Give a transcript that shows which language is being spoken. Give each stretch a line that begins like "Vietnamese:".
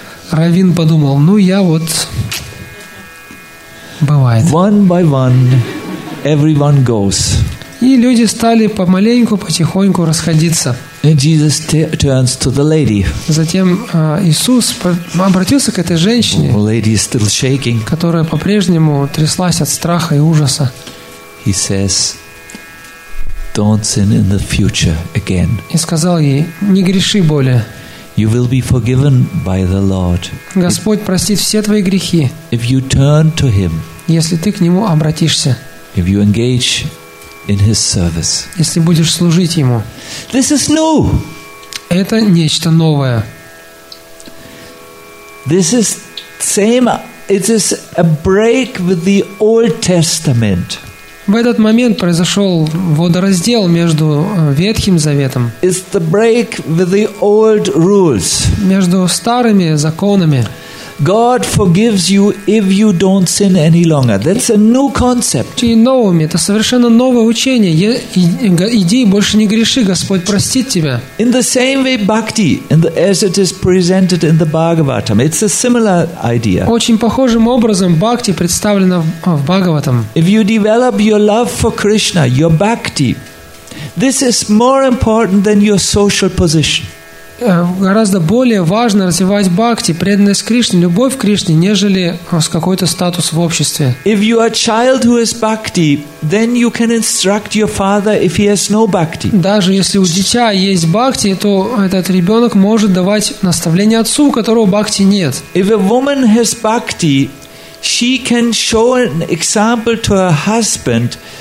Russian: Равин подумал, ну я вот бывает.
English: One by one, everyone goes.
Russian: И люди стали помаленьку, потихоньку расходиться.
English: And Jesus turns to the lady.
Russian: Затем Иисус обратился к этой женщине,
English: lady is still shaking.
Russian: Которая по-прежнему тряслась от страха и ужаса.
English: He says, "Don't sin in the future again."
Russian: И сказал ей, не греши более.
English: You will be forgiven by the Lord.
Russian: Господь простит все твои грехи.
English: If you turn to Him.
Russian: Если ты к Нему обратишься.
English: If you engage in His service.
Russian: Если будешь служить Ему.
English: This is new.
Russian: Это нечто новое.
English: This is same. It is a break with the Old Testament.
Russian: В этот момент произошел водораздел между Ветхим Заветом,
English: it's the break with the old rules.
Russian: Между старыми законами.
English: God forgives you if you don't sin any longer. That's a new concept.
Russian: И новыми, это совершенно новое учение. Иди, больше не греши, Господь простит тебя.
English: In the same way, bhakti, as it is presented in the Bhagavatam, it's a similar idea.
Russian: Очень похожим образом бхакти представлена в Бхагаватам.
English: If you develop your love for Krishna, your bhakti, this is more important than your social position.
Russian: Гораздо более важно развивать бхакти, преданность Кришне, любовь к Кришне, нежели какой-то статус в обществе.
English: If you are a child who has bhakti, then you can instruct your father if he has no bhakti.
Russian: Даже если у дитя есть бхакти, то этот ребенок может давать наставление отцу, у которого бхакти нет.
English: If a woman has bhakti, she can show an example to her husband.